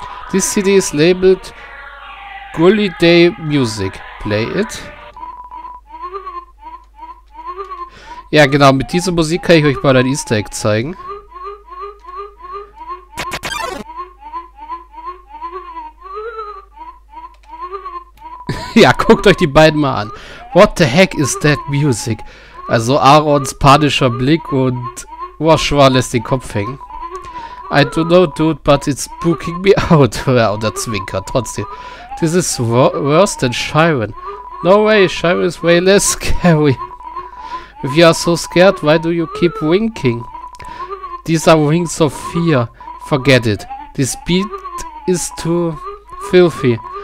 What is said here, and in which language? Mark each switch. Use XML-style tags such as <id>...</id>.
<en>This CD is labeled Gully Day Music. Play it.</en> <de>Ja, genau, mit dieser Musik kann ich euch mal ein Easter Egg zeigen. Ja, guckt euch die beiden mal an.</de> <en>What the heck is that music?</en> <de>Also Aarons panischer Blick und Washua lässt den Kopf hängen.</de> <en>I don't know, dude, but it's spooking me out.</en> <de>Und er zwinkert trotzdem.</de> <en>This is worse than Chiron. No way, Chiron is way less scary. If you are so scared, why do you keep winking? These are wings of fear. Forget it. This beat is too filthy.</en>